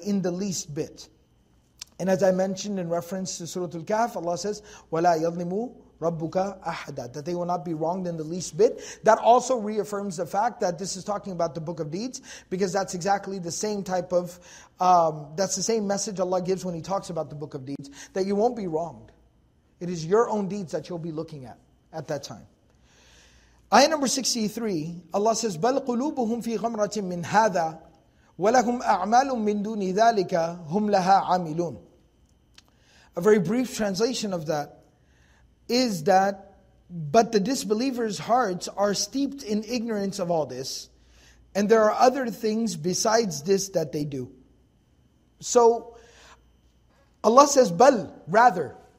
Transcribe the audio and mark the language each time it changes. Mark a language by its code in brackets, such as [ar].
[en] In the least bit. And as I mentioned in reference to Surah Al-Kahf, Allah says, [ar] وَلَا يَظْلِمُوا رَبُّكَ أَحَدًا, [en] that they will not be wronged in the least bit. That also reaffirms the fact that this is talking about the Book of Deeds, because that's exactly the same type of, that's the same message Allah gives when He talks about the Book of Deeds, that you won't be wronged. It is your own deeds that you'll be looking at that time. [ar] Ayah number 63, Allah says, بَلْ قُلُوبُهُمْ فِي غَمْرَةٍ مِّنْ هَذَا وَلَهُمْ أَعْمَالٌ مِّنْ دُونِ ذَلِكَ هُمْ لَهَا عَمِلُونَ. [en] A very brief translation of that is that, but the disbelievers' hearts are steeped in ignorance of all this, and there are other things besides this that they do. So Allah says, بَلْ, rather.